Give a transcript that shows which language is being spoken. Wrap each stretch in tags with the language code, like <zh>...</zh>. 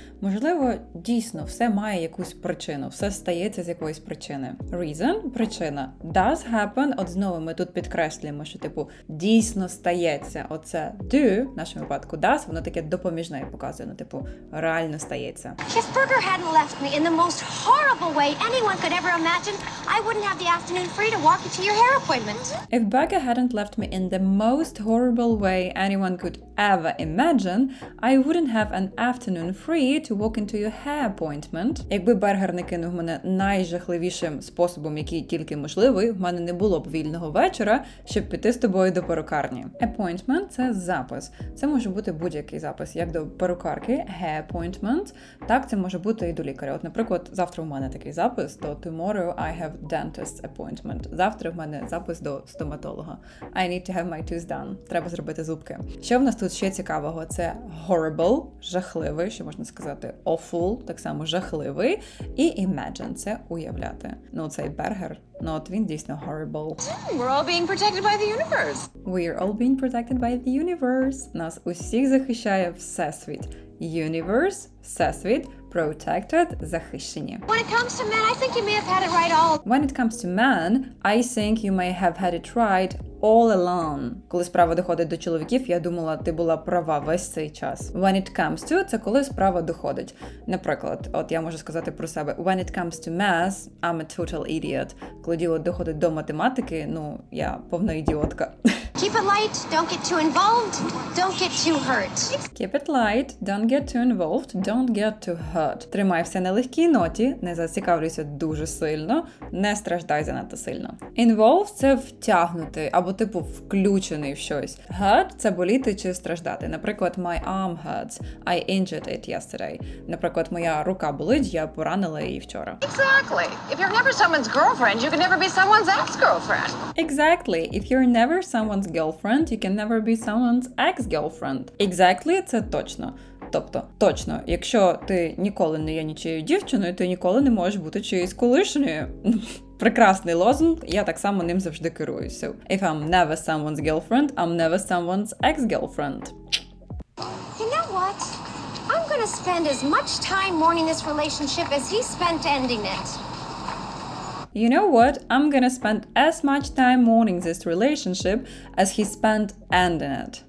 <uk>Можливо, дійсно, все має якусь причину. Все стається з якоїсь причини. Reason – причина. Does happen – от знову ми тут підкреслюємо, що типу дійсно стається. Оце do, в нашому випадку does, воно таке допоміжне показує, ну типу реально стається.</uk> <en>If Burger hadn't left me in the most horrible way anyone could ever imagine, I wouldn't have the afternoon free to walk you to your hair appointment. If Burger hadn't left me in the most horrible way anyone could ever imagine, I wouldn't have an afternoon free to walk into your hair appointment.</en> <uk>Якби Бергер не кинув мене найжахливішим способом, який тільки можливий, в мене не було б вільного вечора, щоб піти з тобою до перукарні. Appointment – це запис. Це може бути будь-який запис, як до перукарки, hair appointment, так це може бути і до лікаря. От, наприклад, завтра у мене такий запис, то</uk> <en>tomorrow I have dentist appointment.</en> <uk>Завтра в мене запис до стоматолога.</uk> <en>I need to have my tooth done.</en> <uk>Треба зробити зубки. Що в нас тут ще цікавого? Це horrible, жахливий, що можна сказати awful, так само жахливий. І imagine – це уявляти. Ну, цей бергер, ну от він дійсно horrible.</uk> <en>We're all being protected by the universe. We're all being protected by the universe.</en> <uk>Нас усіх захищає Всесвіт. Universe, Всесвіт, protected, захищені.</uk> <en>When it comes to men, I think you may have had it right all. When it comes to men, I think you may have had it right all along.</en> <uk>Коли справа доходить до чоловіків, я думала, ти була права весь цей час.</uk> <en>When it comes to,</en> <uk>це коли справа доходить. Наприклад, от я можу сказати про себе.</uk> <en>When it comes to math, I'm a total idiot.</en> <uk>Коли діло доходить до математики, ну, я повна ідіотка.</uk> <en>Keep it light, don't get too involved, don't get too hurt. Keep it light, don't get too involved, don't get too hurt.</en> <uk>Тримай все на легкій ноті, не зацікавлюйся дуже сильно, не страждай занадто сильно. Involved – це втягнути, або типу включений в щось. Hurt – це боліти чи страждати. Наприклад,</uk> <en>my arm hurts, I injured it yesterday.</en> <uk>Наприклад, моя рука болить, я поранила її вчора.</uk> <en>Exactly. If you're never someone's girlfriend, you can never be someone's ex-girlfriend. Exactly. If you're never someone's girlfriend, you can never be someone's ex-girlfriend.</en> <uk>Exactly – це точно. Тобто, точно, якщо ти ніколи не є нічією дівчиною, ти ніколи не можеш бути чиєюсь колишньою. Прекрасний лозунг, я так само ним завжди керуюся.</uk> <en>If I'm never someone's girlfriend, I'm never someone's ex-girlfriend. You know what? I'm gonna spend as much time mourning this relationship as he spent ending it. You know what? I'm gonna spend as much time mourning this relationship as he spent ending it.</en>